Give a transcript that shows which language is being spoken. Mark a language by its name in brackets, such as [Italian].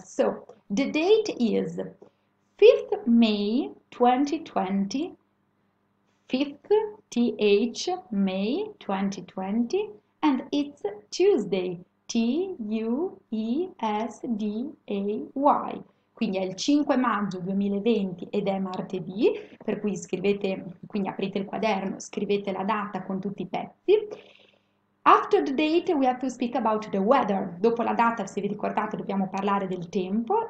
[English] So, the date is 5th May 2020, 5th May 2020, and it's Tuesday, Tuesday. [Italian] Quindi è il 5 maggio 2020 ed è martedì, per cui scrivete, quindi aprite il quaderno, scrivete la data con tutti i pezzi. [English] After the date, we have to speak about the weather. [Italian] Dopo la data, se vi ricordate, dobbiamo parlare del tempo.